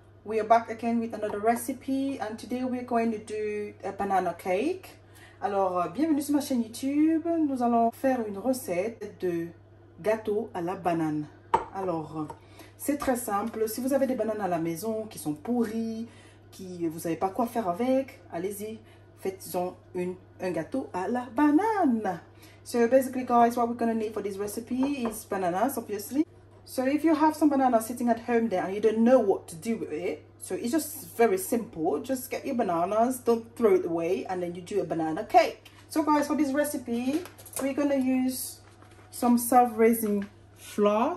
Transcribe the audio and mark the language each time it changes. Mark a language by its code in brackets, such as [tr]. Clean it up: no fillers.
[en] We are back again with another recipe and today we're going to do a banana cake. [fr] Alors bienvenue sur ma chaîne YouTube. Nous allons faire une recette de gâteau à la banane. Alors c'est très simple. Si vous avez des bananes à la maison qui sont pourries, qui vous savez pas quoi faire avec, allez-y, faites-en un gâteau à la banane. [en] So basically guys, what we're going to need for this recipe is bananas, obviously. So if you have some banana sitting at home there and you don't know what to do with it, so it's just very simple. Just get your bananas, don't throw it away, and then you do a banana cake. So guys, for this recipe, we're gonna use some self-raising flour.